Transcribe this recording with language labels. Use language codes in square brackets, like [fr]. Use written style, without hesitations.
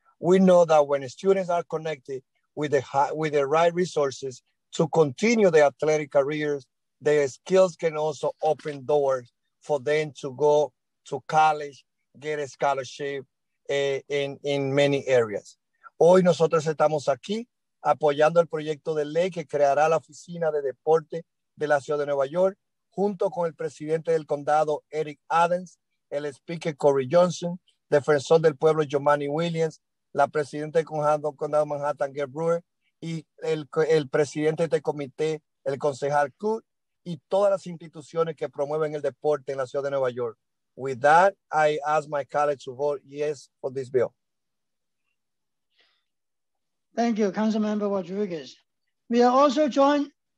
[en] We know that when students are connected with the right resources to continue their athletic careers, their skills can also open doors for them to go to college, get a scholarship in many areas. [es] Hoy nosotros estamos aquí apoyando el proyecto de ley que creará la Oficina de Deporte de la Ciudad de Nueva York, junto con el presidente del condado, Eric Adams, el speaker, Cory Johnson, defensor del pueblo, Jomani Williams, la presidenta del condado de Manhattan, Gail Brewer, y el presidente del comité, el concejal Coot, y todas las instituciones que promueven el deporte en la ciudad de Nueva York. [en] With that, I ask my colleagues to vote yes for this bill. Thank you, Councilmember Rodriguez. We are also joined.